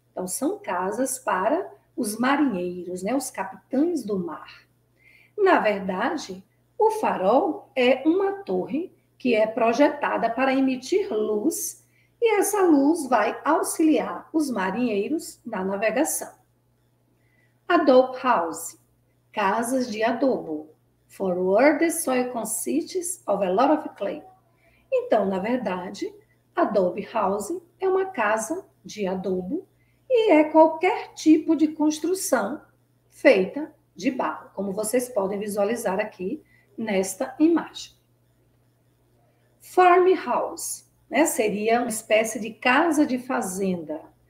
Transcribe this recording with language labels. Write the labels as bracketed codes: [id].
[pt] Então, são casas para os marinheiros, né? Os capitães do mar. Na verdade, o farol é uma torre que é projetada para emitir luz e essa luz vai auxiliar os marinheiros na navegação. Adobe house. Casas de adobo. [en] For where the soil consists of a lot of clay. [pt] Então, na verdade, adobe house é uma casa de adobo e é qualquer tipo de construção feita de barro, como vocês podem visualizar aqui nesta imagem. Farmhouse, né, seria uma espécie de casa de fazenda.